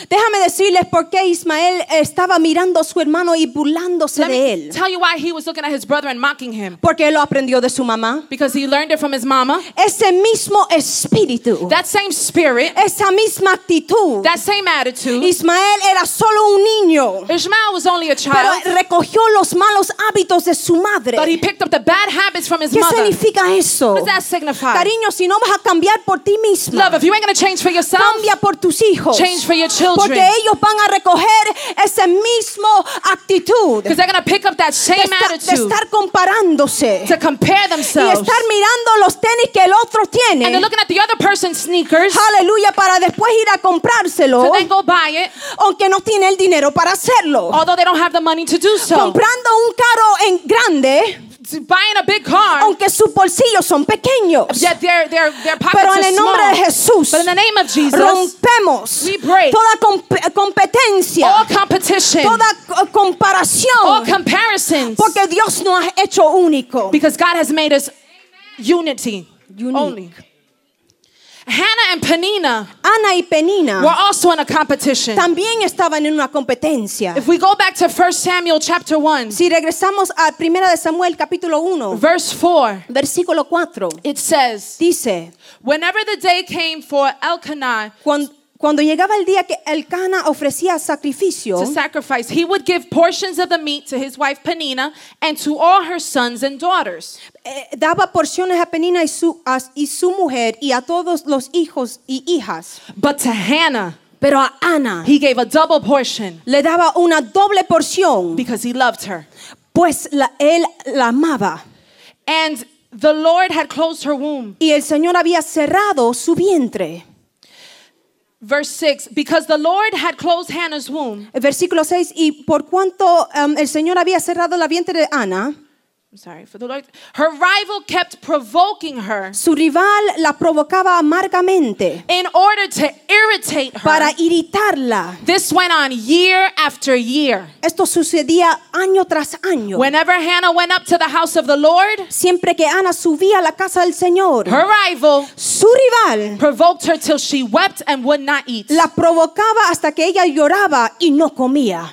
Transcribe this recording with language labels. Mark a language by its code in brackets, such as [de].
[es] Déjame decirles por qué Ismael estaba mirando a su hermano y burlándose [en] Let [es] de él. [en] Let me tell you why he was looking at his brother and mocking him. [es] Porque él lo aprendió de su mamá. [en] Because he learned it from his mama. [es] Ese mismo espíritu. [en] That same spirit. [es] Esa misma actitud. [en] That same attitude. [es] Ismael era solo un niño. [en] Ishmael was only a child. [es] Pero recogió los malos hábitos de su madre. [en] But he picked up the bad habits from his [es] ¿Qué [en] mother. [es] ¿Qué significa eso? [en] What does that signify? [es] Cariño, si no vas a cambiar por ti mismo. [en] Love, if you ain't gonna change for yourself. [es] Cambia por tus hijos. [en] Change for your children. [es] Porque ellos van a recoger ese mismo actitud. [en] Because they're gonna pick up that same attitude. [es] De estar comparándose. [en] To compare themselves. [es] Y estar mirando los tenis que el otro tiene. [en] And they're looking at the other person's sneakers. [es] Hallelujah, para después ir a comprárselo. [en] To then go buy it. [es] Que no tiene el dinero para hacerlo. [en] Although they don't have the money to do so. [es] Comprando un carro en grande. [en] buying a big car, [es] aunque sus bolsillos son pequeños, [en] yet their pockets [es] pero en el nombre [en] small, [es] de Jesús, [en] but in the name of Jesus, [es] rompemos [en] we break [es] toda competencia, [en] all competition, [es] toda comparación, [en] all comparisons, [es] porque Dios nos ha hecho único, [en] because God has made us unity, unique. Only. Hannah and Penina, [es] Ana y Penina, [en] were also in a competition. [es] También estaban en una competencia. [en] If we go back to 1 Samuel chapter 1, [es] si regresamos a Primera de Samuel capítulo 1, [en] verse 4, [es] versículo 4, [en] it says, [es] dice, [en] whenever the day came for Elkanah, [es] cuando llegaba el día que Elkanah ofrecía sacrificio, [en] to sacrifice, he would give portions of the meat to his wife Penina and to all her sons and daughters. [es] Daba porciones a Penina y su mujer y a todos los hijos y hijas. [en] But to Hannah, [es] pero a Ana, [en] he gave a double portion. [es] Le daba una doble porción. [en] Because he loved her. [es] Pues él la amaba. [en] And the Lord had closed her womb. [es] Y el Señor había cerrado su vientre. [en] Verse 6, because the Lord had closed Hannah's womb. [es] Versículo 6, y por cuanto el Señor había cerrado la vientre de Ana. [en] I'm sorry, for the Lord. Her rival kept provoking her. [es] Su rival la provocaba amargamente. [en] In order to irritate her. [es] Para irritarla. [en] This went on year after year. [es] Esto sucedía año tras año. [en] Whenever Hannah went up to the house of the Lord. [es] Siempre que Ana subía a la casa del Señor. [en] Her rival. [es] Su rival. [en] Provoked her till she wept and would not eat. [es] La provocaba hasta que ella lloraba y no comía.